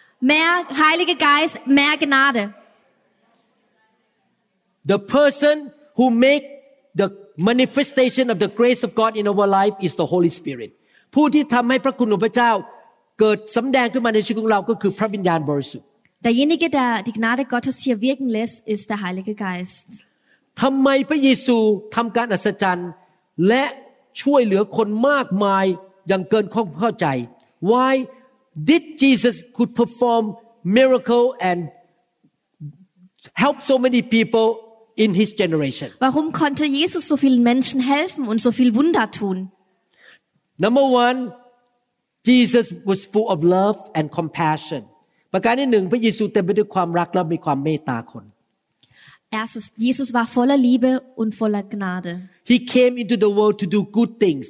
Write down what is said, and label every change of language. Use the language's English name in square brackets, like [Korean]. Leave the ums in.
[German] mehr heilige geist mehr gnade [English] the person who make the manifestation of the grace of god in our life is the holy spirit [Thai] ผู้ที่ทำให้พระคุณของพระเจ้าเกิดสำแดงขึ้นมาในชีวิตของเรา ก็คือพระวิญญาณบริสุทธิ์ [German] derjenige der die Gnade Gottes hier wirken lässt ist der Heilige Geist [Thai] ทำไมพระเยซูทำการอัศจรรย์ และช่วยเหลือคนมากมายอย่างเกินข้อเข้าใจ [English] why did Jesus could perform miracle and help so many people in his generation [German] warum konnte Jesus so vielen Menschen helfen und so viel Wunder tun [English] number one Jesus was full of love and compassion [Thai] ประการที่หนึ่งพระเยซูเต็มไปด้วยความรักและมีความเมตตาคน [German] Erstens, Jesus war voller Liebe und voller Gnade. [English] He came into the world to do good things.